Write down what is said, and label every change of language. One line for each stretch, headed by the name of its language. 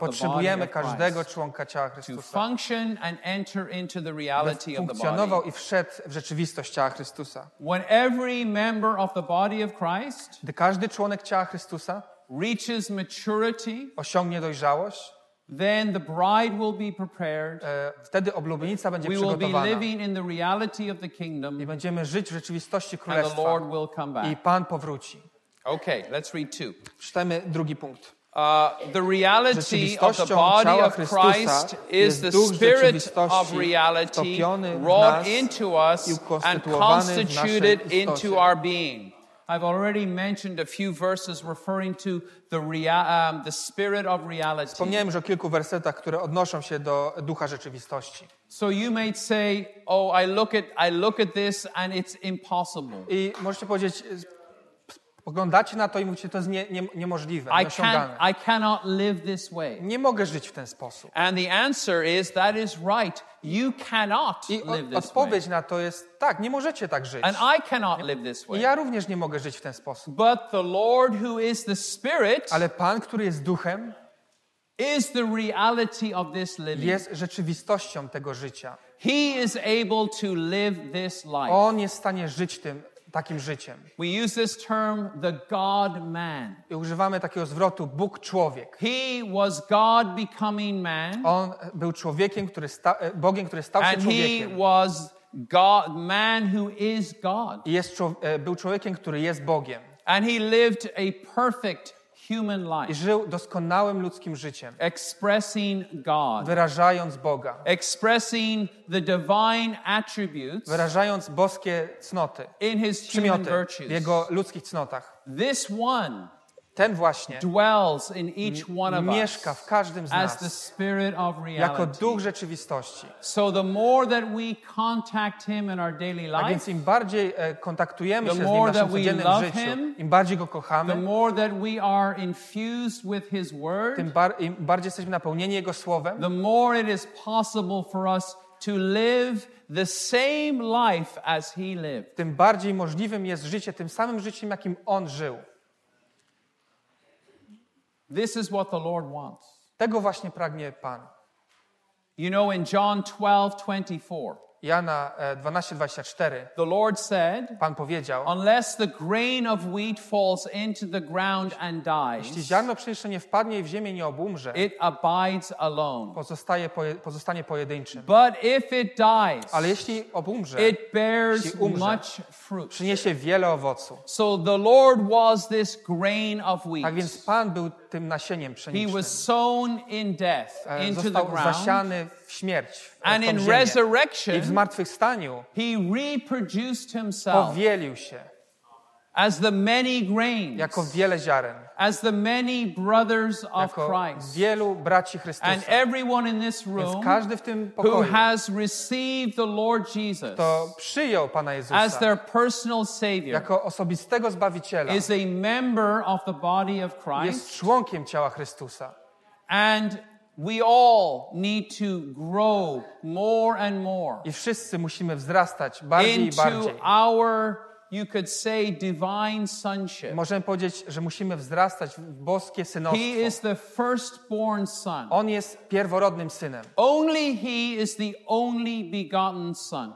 Polish: potrzebujemy każdego członka ciała Chrystusa,
English: to function and enter into the reality
Polish: by funkcjonował i wszedł w rzeczywistość ciała Chrystusa.
English: When every member of the body of Christ,
Polish: gdy każdy członek ciała Chrystusa,
English: reaches maturity,
Polish: osiągnie dojrzałość,
English: then the bride will be prepared.
Polish: Wtedy oblubienica będzie
English: we
Polish: przygotowana.
English: We will be living in the reality of the kingdom.
Polish: I będziemy żyć w rzeczywistości królestwa.
English: And the Lord will come back.
Polish: I Pan powróci.
English: Okay, let's read two.
Polish: Czytamy drugi punkt.
English: The reality of the body of Christ is the spirit of reality wrought into us and constituted into our being. I've already mentioned a few verses referring to the spirit of reality.
Polish: Wspomniałem już o kilku wersetach, które odnoszą się do ducha rzeczywistości.
English: So you may say, oh, I look at this and it's impossible.
Polish: I możecie powiedzieć, poglądacie na to i mówicie, to jest niemożliwe, nieosiągalne.
English: I cannot live this way.
Polish: Nie mogę żyć w ten sposób.
English: And the answer is, that is right. You cannot live this way.
Polish: I odpowiedź na to jest tak, nie możecie tak żyć.
English: And I cannot live this way.
Polish: I ja również nie mogę żyć w ten sposób.
English: But the Lord who is the Spirit,
Polish: ale Pan, który jest duchem,
English: is the reality of this living.
Polish: Jest rzeczywistością tego życia.
English: He is able to live this life.
Polish: On jest w stanie żyć tym takim życiem.
English: We use this term the God man.
Polish: I używamy takiego zwrotu Bóg człowiek.
English: He was God becoming man.
Polish: On był człowiekiem, który Bogiem, który stał się
English: and
Polish: człowiekiem.
English: He was God, man who is God.
Polish: Był człowiekiem, który jest Bogiem.
English: And he lived a perfect human life.
Polish: I żył doskonałym ludzkim życiem.
English: Expressing God.
Polish: Wyrażając Boga.
English: Expressing the divine attributes.
Polish: Wyrażając boskie cnoty.
English: In his
Polish: przymioty,
English: human virtues.
Polish: W jego ludzkich cnotach.
English: This one.
Polish: Ten właśnie
English: dwells in each one of us
Polish: mieszka w każdym z nas
English: as the spirit of reality.
Polish: Jako duch rzeczywistości.
English: So the more that we contact him in our daily life,
Polish: a więc im bardziej kontaktujemy się z nim w naszym codziennym życiu,
English: him,
Polish: im bardziej go kochamy,
English: the more that we are infused with his word,
Polish: im bardziej jesteśmy napełnieni jego słowem,
English: the more it is possible for us to live the same life as he lived.
Polish: Tym bardziej możliwym jest życie tym samym życiem, jakim on żył.
English: This is what the Lord wants.
Polish: Tego właśnie pragnie Pan.
English: You know, in John 12:24.
Polish: Jana 12:24.
English: The Lord said,
Polish: Pan powiedział,
English: unless the grain of wheat falls into the ground and dies,
Polish: jeśli ziarno pszenicy nie wpadnie w ziemię, nie obumrze,
English: it abides alone.
Polish: Pozostanie pojedynczym.
English: But if it dies,
Polish: ale jeśli obumrze,
English: it bears much fruit.
Polish: Przyniesie wiele owocu.
English: So the Lord was this grain of wheat.
Polish: Tak więc Pan był tym nasieniem pszenicznym.
English: He was sown in death into the ground.
Polish: Został zasiany w śmierć.
English: And in resurrection,
Polish: i w zmartwychwstaniu,
English: he reproduced himself.
Polish: Powielił się.
English: As the many grains.
Polish: Jako wiele ziaren.
English: As the many brothers of Christ.
Polish: Jako wielu braci Chrystusa.
English: And everyone in this room,
Polish: więc każdy w tym pokoju,
English: who has received the Lord Jesus,
Polish: kto przyjął Pana Jezusa,
English: as their personal Savior,
Polish: jako osobistego Zbawiciela,
English: is a member of the body of Christ,
Polish: jest członkiem ciała Chrystusa.
English: And we all need to grow more and more.
Polish: I wszyscy musimy wzrastać bardziej
English: into
Polish: i bardziej.
English: Our you could say divine sonship.
Polish: Możemy powiedzieć, że musimy wzrastać w boskie synostwo.
English: He is the firstborn son.
Polish: On jest pierworodnym synem.
English: Only he is the only begotten son.